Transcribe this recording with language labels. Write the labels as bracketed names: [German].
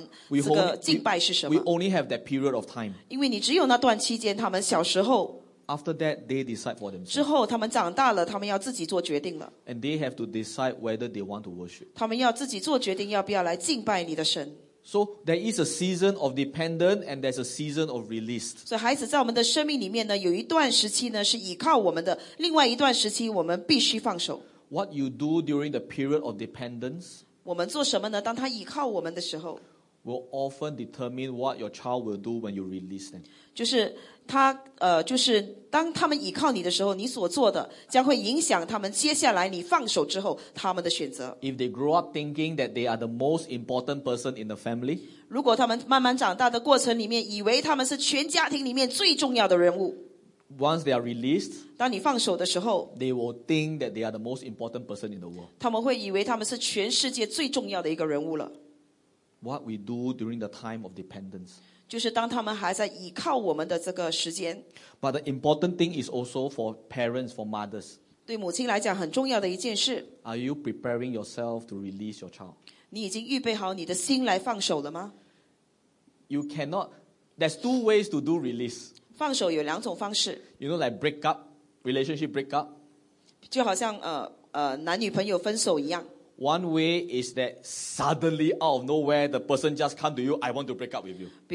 [Chinese] 这是他们唯有的机会来教导他们这个敬拜是什么。 [English] We only have that period of time. [Chinese] 因为你只有那段期间,他们小时候, [English] after that, they decide for themselves. [Chinese] 之后,他们长大了,他们要自己做决定了。 [English] And they have to decide whether they want to worship. [Chinese] 他们要自己做决定要不要来敬拜你的神。 [English] So there is a season of dependent and there's a season of released. [Chinese] 所以孩子在我们的生命里面呢, 有一段时期呢, 是依靠我们的, 另外一段时期, 我们必须放手。 [English] What you do during the period of dependence [Chinese] 我们做什么呢?当他依靠我们的时候, [English] will often determine what your child will do when you release them. [Chinese] 就是他, 就是当他们依靠你的时候, 你所做的, 将会影响他们接下来你放手之后, 他们的选择。 [English] If they grow up thinking that they are the most important person in the family, [Chinese] 如果他们慢慢长大的过程里面, 以为他们是全家庭里面最重要的人物, [English] once they are released, [Chinese] 当你放手的时候, [English] they will think that they are the most important person in the world. [Chinese] 他们会以为他们是全世界最重要的一个人物了。 [English] What we do during the time of dependence, [Chinese] 就是当他们还在依靠我们的这个时间。 [English] But the important thing is also for parents, for mothers. [Chinese] 对母亲来讲很重要的一件事, [English] are you preparing yourself to release your child? [Chinese] 你已经预备好你的心来放手了吗? [English] You cannot, there's two ways to do release. [Chinese] 放手有两种方式。 [English] You know, like break up, relationship break up. [Chinese] 就好像, 男女朋友分手一样。 [English] One way is that suddenly out of nowhere, the person just come to you, I want to break up with you.